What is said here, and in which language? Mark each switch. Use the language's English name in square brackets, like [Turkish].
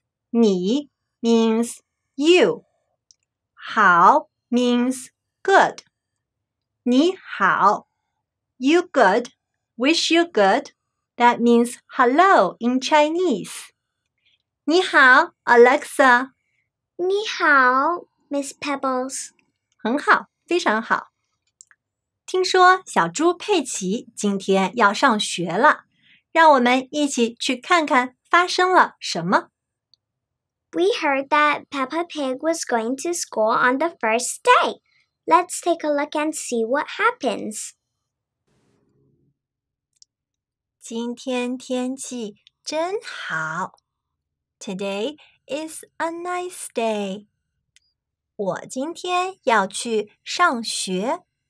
[English] 你 means you. 好 means good. 你好。You good. Wish you good. That means hello in Chinese. [Chinese] 你好 Alexa. 你好 Miss Pebbles. 很好非常好。听说小猪佩奇今天要上学了。让我们一起去看看发生了什么。 [English] We heard that Peppa Pig was going to school on the first day. Let's take a look and see what happens. [Chinese] 今天天气真好。 [English] Today is a nice day. [Chinese] 我今天要去上学。